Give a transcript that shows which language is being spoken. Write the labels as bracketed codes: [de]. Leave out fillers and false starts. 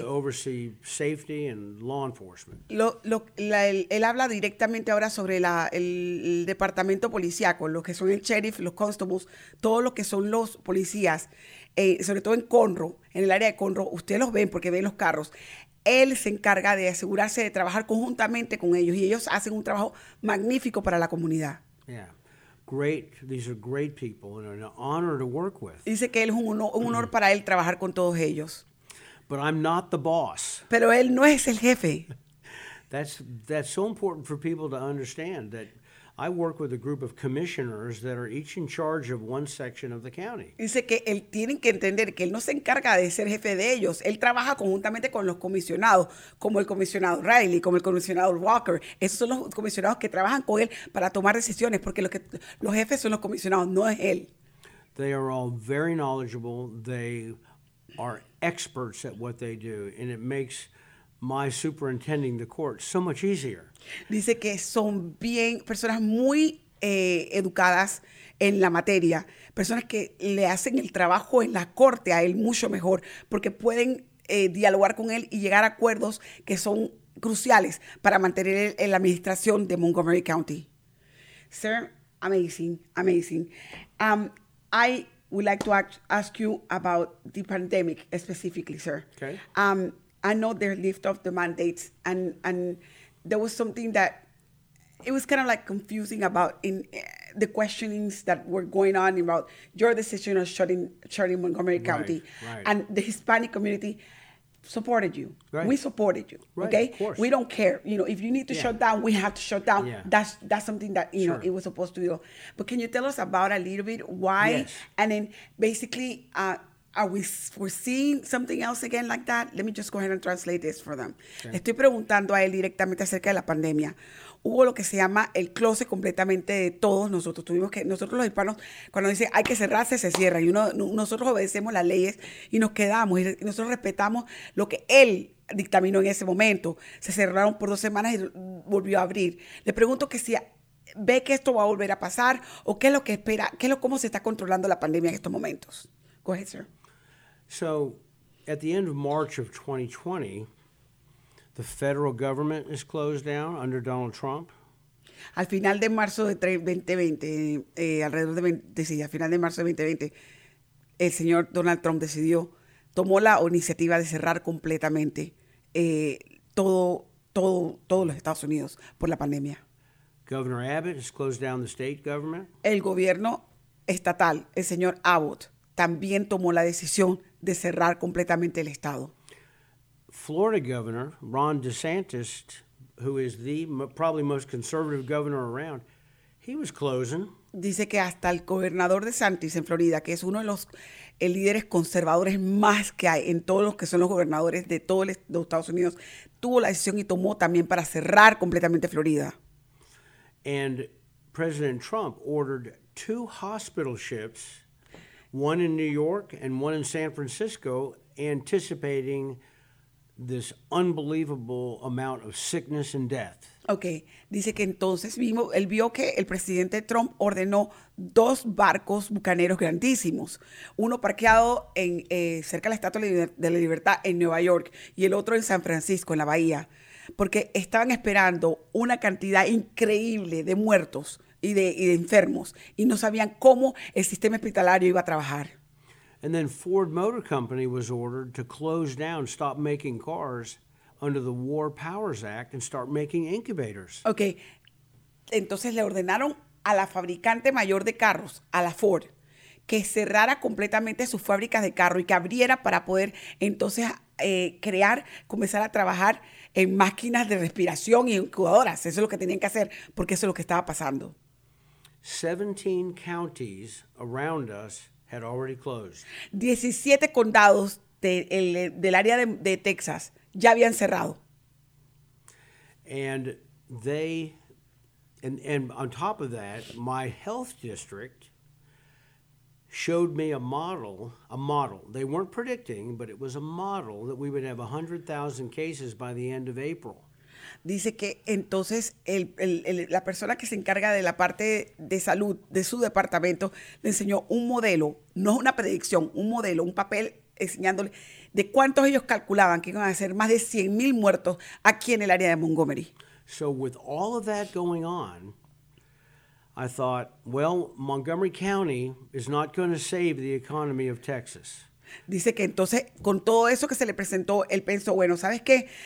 [en] to oversee safety and law enforcement. [es] Él habla directamente ahora sobre el departamento policíaco, los que son el sheriff, los constables, todos los que son los policías, sobre todo en Conroe, en el área de Conroe, ustedes los ven porque ven los carros. Él se encarga de asegurarse de trabajar conjuntamente con ellos y ellos hacen un trabajo magnífico para la comunidad. [en] Yeah, great. These are great people and an honor to work with. [es] Dice que él es un honor para él trabajar con todos ellos. [en] But I'm not the boss. [es] Pero él no es el jefe. [en] That's so important for people to understand that I work with a group of commissioners that are each in charge of one section of the county. [es] Dice que él tienen que entender que él no se encarga de ser jefe de ellos. Él trabaja conjuntamente con los comisionados, como el comisionado Riley, como el comisionado Walker. Esos son los comisionados que trabajan con él para tomar decisiones, porque los jefes son los comisionados, no es él. [en] They are all very knowledgeable. They are experts at what they do, and it makes my superintending the court so much easier. [es] Dice que son bien personas muy educadas en la materia, personas que le hacen el trabajo en la corte a él mucho mejor, porque pueden dialogar con él y llegar a acuerdos que son cruciales para mantener en la administración de Montgomery County. [en] Sir, amazing, amazing. I would like to ask you about the pandemic specifically, sir. Okay. I know they lift off the mandates, and there was something that it was kind of like confusing about in the questionings that were going on about your decision of shutting Montgomery County, right. And the Hispanic community supported you. Right. We supported you. Right, okay. Of course. We don't care. You know, if you need to shut down, we have to shut down. Yeah. That's something that, you know, it was supposed to do. But can you tell us about a little bit why? Yes. And then basically, are we foreseeing something else again like that? Let me just go ahead and translate this for them. Okay. [es] Estoy preguntando a él directamente acerca de la pandemia. Hubo lo que se llama el close completamente de todos nosotros. Tuvimos que, nosotros los hispanos, cuando dicen hay que cerrarse, se cierra. Y uno, nosotros obedecemos las leyes y nos quedamos. Y nosotros respetamos lo que él dictaminó en ese momento. Se cerraron por 2 semanas y volvió a abrir. Le pregunto que si ve que esto va a volver a pasar o qué es lo que espera, qué es lo, cómo se está controlando la pandemia en estos momentos. [en] Go ahead, sir. So, at the end of March of 2020, the federal government is closed down under Donald Trump. [es] Al final de marzo de 2020, alrededor de 20, sí, al final de marzo de 2020, el señor Donald Trump decidió, tomó la iniciativa de cerrar completamente todos los Estados Unidos por la pandemia. [en] Governor Abbott has closed down the state government. [es] El gobierno estatal, el señor Abbott, también tomó la decisión de cerrar completamente el estado. [en] Florida Governor Ron DeSantis, who is the probably most conservative governor around, he was closing. [es] Dice que hasta el gobernador DeSantis en Florida, que es uno de los líderes conservadores más que hay en todos los que son los gobernadores de todos los Estados Unidos, tuvo la decisión y tomó también para cerrar completamente Florida. [en] And President Trump ordered 2 hospital ships, one in New York and one in San Francisco, anticipating this unbelievable amount of sickness and death. Okay. [es] Dice que entonces mismo, él vio que el presidente Trump ordenó 2 barcos bucaneros grandísimos. Uno parqueado en cerca de la Estatua de la Libertad en Nueva York y el otro en San Francisco, en la Bahía. Porque estaban esperando una cantidad increíble de muertos y de enfermos y no sabían cómo el sistema hospitalario iba a trabajar. [en] And then Ford Motor Company was ordered to close down, stop making cars under the War Powers Act and start making incubators. Okay. [es] Entonces le ordenaron a la fabricante mayor de carros, a la Ford, que cerrara completamente sus fábricas de carro y que abriera para poder entonces crear, comenzar a trabajar en máquinas de respiración y incubadoras. Eso es lo que tenían que hacer porque eso es lo que estaba pasando. [en] 17 counties around us had already closed. [es] 17 condados del área de Texas ya habían cerrado. [en] And they, and on top of that, my health district showed me a model. They weren't predicting, but it was a model that we would have 100,000 cases by the end of April. [es] Dice que entonces la persona que se encarga de la parte de salud de su departamento le enseñó un modelo, no una predicción, un modelo, un papel enseñándole de cuántos ellos calculaban que iban a ser más de 100,000 muertos aquí en el área de Montgomery. [en] So with all of that going on, I thought, well, Montgomery County is not going to save the economy of Texas. [es] Dice que entonces, con todo eso que se le presentó, él pensó, bueno, ¿sabes qué?